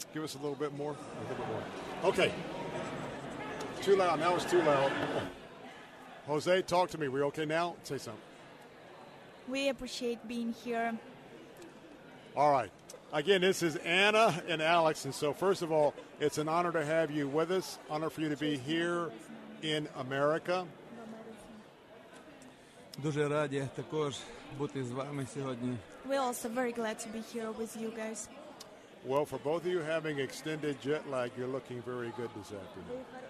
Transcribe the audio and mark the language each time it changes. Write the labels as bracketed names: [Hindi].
[English] Give us a little bit more. A little bit more. Okay. Too loud. Now it's too loud. Jose, talk to me. We okay now? Say something. We appreciate being here. All right. Again, this is Anna and Alex. And so, first of all, it's an honor to have you with us. Honor for you to be here in America. [Ukrainian] Дуже раді також бути з вами сьогодні. [English] We're also very glad to be here with you guys. Well, for both of you having extended jet lag, you're looking very good this afternoon.